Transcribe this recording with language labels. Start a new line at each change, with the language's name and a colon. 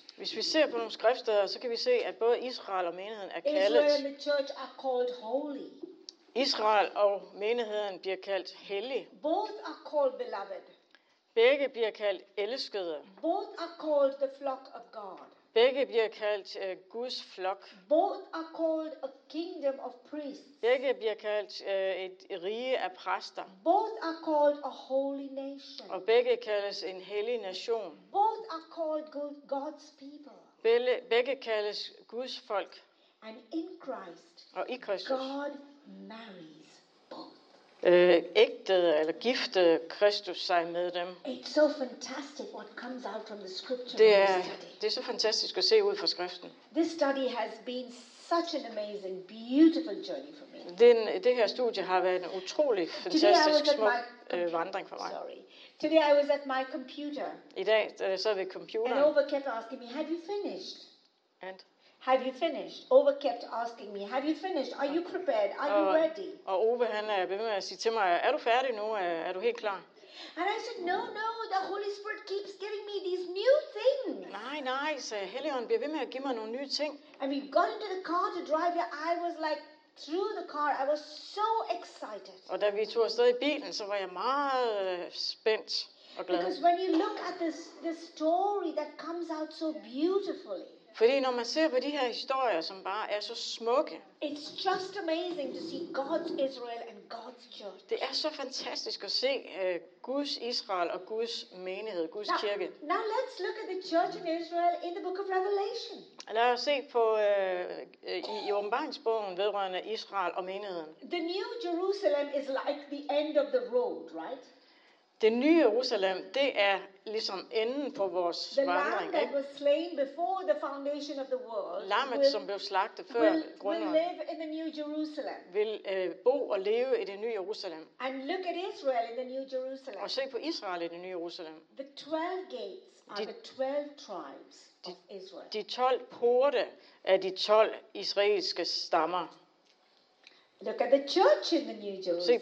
Danish: Hvis vi ser på nogle skriftsteder, så kan vi se, at både Israel og menigheden er kaldet.
English: Israel and the church are called holy.
Danish: Israel og menigheden bliver kaldt hellige.
English: Both are called beloved.
Danish: Begge bliver kaldt elskede.
English: Both are called the flock of God.
Danish: Begge bliver kaldt Guds flok.
English: Both are called a kingdom of priests.
Danish: Begge bliver kaldt et rige af præster.
English: Both are called a holy nation.
Danish: Og begge kaldes en hellig nation.
English: Both are called God's people.
Danish: Begge kaldes Guds folk.
English: And in Christ,
Danish: og i Kristus,
English: God marries both.
Danish: Ægtede eller giftede Kristus sig med dem.
English: It's so fantastic what comes out from the scripture.
Danish: Det er så fantastisk at se ud fra skriften.
English: This study has been such an amazing, beautiful journey for me.
Danish: Det her studie har været en utrolig fantastisk smuk vandring for mig.
English: Sorry. Today I was at my computer.
Danish: I dag sad ved computeren.
English: And Ova kept asking me, "Have you finished?" And have you finished? Ova kept asking me, have you finished? Are you prepared? Are you ready?
Danish: Og Ove, han er ved med at sige til mig, er du færdig nu? Er du helt klar?
English: And I said, no, the Holy Spirit keeps giving me these new things.
Danish: Nej, sagde Helligånden, bliver ved med at give mig nogle nye ting.
English: And we got into the car to drive here. I was like, through the car, I was so excited.
Danish: Og da vi tog afsted i bilen, så var jeg meget spændt og glad.
English: Because when you look at this story that comes out so beautifully,
Danish: fordi når man ser på de her historier, som bare er så smukke.
English: It's just amazing to see God's Israel and God's church.
Danish: Det er så fantastisk at se Guds Israel og Guds menighed, Guds kirke.
English: Now let's look at the church in Israel in the book of Revelation.
Danish: Lad os se på i Åbenbaringsbogen vedrørende Israel og menigheden.
English: The new Jerusalem is like the end of the road, right?
Danish: Det nye Jerusalem, det er ligesom enden på vores vandring.
English: The lamb that was slain before the foundation of the world.
Danish: Lammet, som blev slagtet før grundlaget.
English: Will live in the new Jerusalem.
Danish: Vil bo og leve i det nye Jerusalem.
English: And look at Israel in the new Jerusalem.
Danish: Og se på Israel i det nye Jerusalem.
English: The 12 gates are the 12 tribes of Israel.
Danish: De 12 porte er de 12 israelske stammer.
English: Look at the church in the New Jerusalem.